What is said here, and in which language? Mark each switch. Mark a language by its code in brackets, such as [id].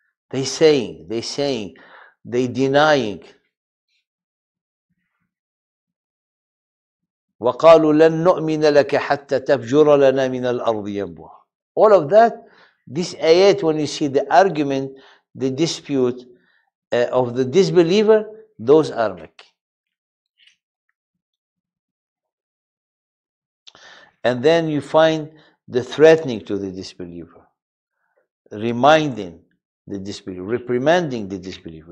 [en] They saying, they denying. [ar] وقالوا لن نؤمن لك حتى تفجر لنا من الأرض ينبوعا. [en] All of that, this ayat, when you see the argument, the dispute of the disbeliever, those are Makki. And then you find the threatening to the disbeliever, reminding the disbeliever, reprimanding the disbeliever.